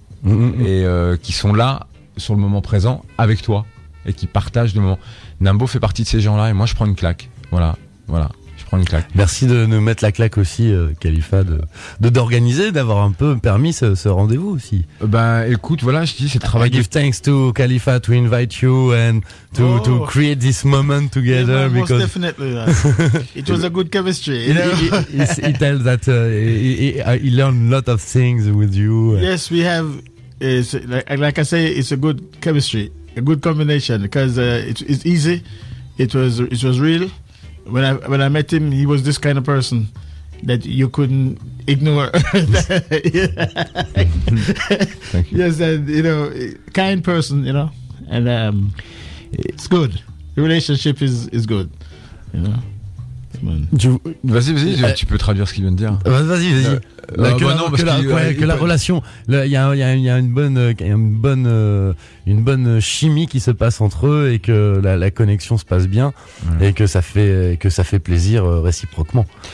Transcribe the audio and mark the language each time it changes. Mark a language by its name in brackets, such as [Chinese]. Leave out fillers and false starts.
[French] Et qui sont là sur le moment présent avec toi et qui partagent le moment. Nimbo fait partie de ces gens-là et moi je prends une claque. Voilà. Je prends une claque. Merci de nous mettre la claque aussi, Khalifa, d'organiser, d'avoir un peu permis ce rendez-vous aussi. Écoute, voilà, je dis, c'est le travail. [English] I give thanks to Khalifa to invite you and to create this moment together. because most definitely. It was a good chemistry. He tells that he learned a lot of things with you. Yes, we have. Like I say, it's a good chemistry, a good combination, because it's easy. It was real. When I met him, he was this kind of person that you couldn't ignore. Thank you. Yes, and you know, kind person, you know, and it's good. The relationship is good, you know. [French] Vas-y, tu peux traduire ce qu'il vient de dire. Vas-y. Relation, il y a une bonne chimie qui se passe entre eux et que la connexion se passe bien, ouais. Et que ça fait plaisir réciproquement.